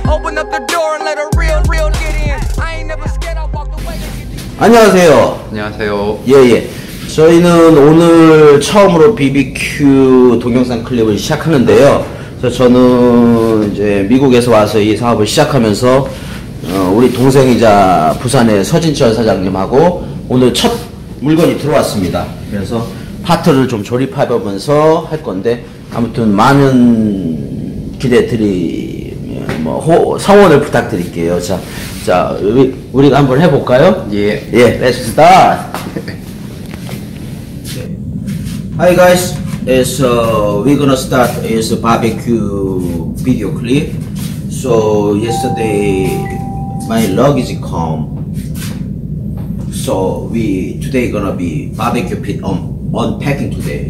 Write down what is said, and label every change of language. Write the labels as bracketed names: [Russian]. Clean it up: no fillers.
[English] Open up the door and let a real, real get in. I ain't never scared, I walked away. [Korean] 안녕하세요. 안녕하세요. 예예. 저희는 오늘 처음으로 BBQ 동영상 클립을 시작하는데요. 그래서 저는 이제 미국에서 와서 이 사업을 시작하면서 우리 동생이자 부산의 서진철 사장님하고 오늘 첫 물건이 들어왔습니다. 그래서 파트를 좀 조립해보면서 할 건데 아무튼 많은 기대들이 뭐 성원을 부탁드릴게요. 자, 자 우리가 한번 해볼까요? 예. [English] 예, let's start. Hi guys, it's we're gonna start is a barbecue video clip. So yesterday my luggage come. So we today gonna be barbecue pit unpacking today.